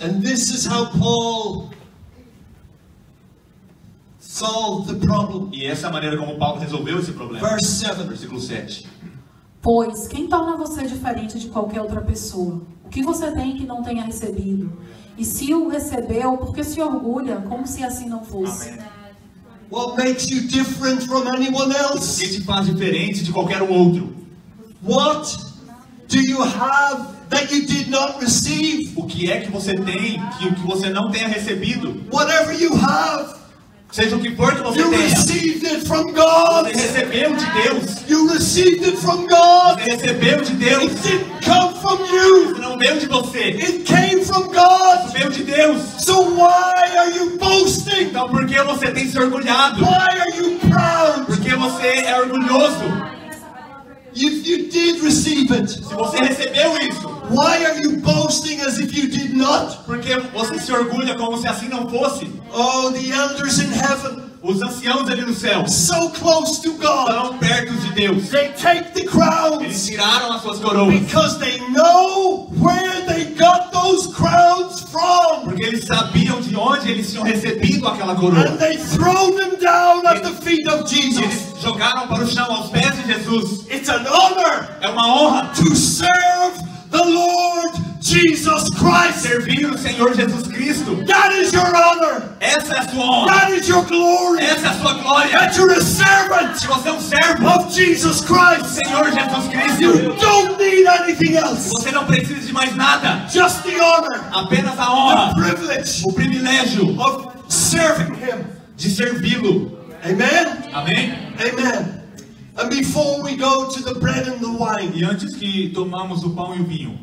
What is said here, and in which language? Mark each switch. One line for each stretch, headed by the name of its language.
English: And this is how Paul solved the problem.
Portuguese: E essa é a maneira como Paulo resolveu esse problema.
English: Verse 7.
Portuguese: Versículo 7. Pois quem torna você diferente de qualquer outra pessoa? O que você tem que não tenha recebido? E se o recebeu, por que se orgulha como se assim não fosse?
English: What makes you different from anyone else?
Portuguese: O que te faz diferente de qualquer outro?
English: What do you have that you did not receive?
Portuguese: O que é que você tem que você não tenha recebido?
English: Whatever you have,
Portuguese: seja o que for que você
English: you
Portuguese: tenha,
English: received it from God.
Portuguese: Você recebeu de Deus.
English: You received it from God.
Portuguese: Você recebeu de Deus.
English: It didn't come from you.
Portuguese: Isso não veio de você.
English: It came from God.
Portuguese: Isso veio de Deus.
English: So why are you boasting?
Portuguese: Então por que você tem se orgulhado?
English: Why are you proud?
Portuguese: Porque você é orgulhoso.
English: If you did receive it,
Portuguese: se você recebeu isso,
English: why are you boasting as if you did not?
Portuguese: Porque você se orgulha como se assim não fosse.
English: Oh, the elders in heaven,
Portuguese: os anciãos ali no céu,
English: so close to God,
Portuguese: tão perto de Deus,
English: they take the crowns,
Portuguese: eles tiraram as suas coroas,
English: because they know where they got those crowns from,
Portuguese: porque eles sabiam de onde eles tinham recebido aquela coroa,
English: and they throw them down at the feet of Jesus,
Portuguese: eles jogaram para o chão aos pés de Jesus.
English: It's an honor,
Portuguese: é uma honra,
English: to serve the Lord Jesus Christ.
Portuguese: Servir o Senhor Jesus Cristo.
English: That is your honor.
Portuguese: Essa é a sua honra.
English: That is your glory.
Portuguese: Essa é a sua glória.
English: That you're a servant.
Portuguese: Que você é um servo
English: of Jesus Christ.
Portuguese: Senhor Jesus Cristo.
English: You don't need anything else.
Portuguese: Você não precisa de mais nada.
English: Just the honor.
Portuguese: Apenas a honra.
English: The privilege.
Portuguese: O privilégio.
English: Of serving Him.
Portuguese: De servi-lo.
English: Amen.
Portuguese: Amém.
English: Amen. And before we go to the bread and the wine,
Portuguese: e antes que tomamos o pão e o vinho,